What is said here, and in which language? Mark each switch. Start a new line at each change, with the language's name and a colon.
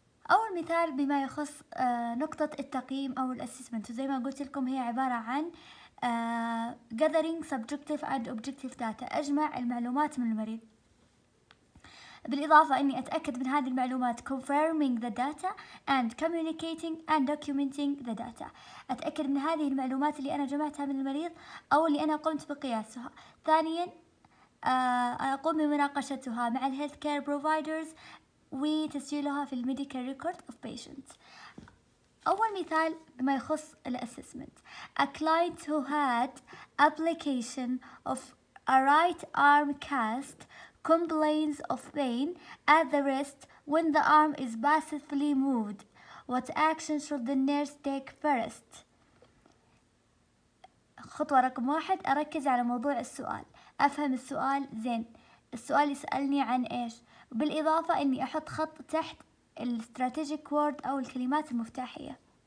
Arabic: أول مثال بما يخص نقطة التقييم أو الأسسمنت، زي ما قلت لكم هي عبارة عن
English: gathering subjective and objective data،
Arabic: أجمع المعلومات من المريض، بالإضافة أني أتأكد من هذه المعلومات
English: confirming the data and communicating and documenting the data،
Arabic: أتأكد من هذه المعلومات اللي أنا جمعتها من المريض أو اللي أنا قمت بقياسها. ثانيا أقوم بمناقشتها مع healthcare providers وتسجيلها في
English: medical record of patients.
Arabic: أول مثال بما يخص الassessment:
English: a client who had application of a right arm cast complains of pain at the wrist when the arm is passively moved. What action should the nurse take first?
Arabic: خطوة رقم واحد، أركز على موضوع السؤال، أفهم السؤال زين. السؤال يسألني عن إيش؟ بالإضافة إني أحط خط تحت الاستراتيجيك وورد أو الكلمات المفتاحية.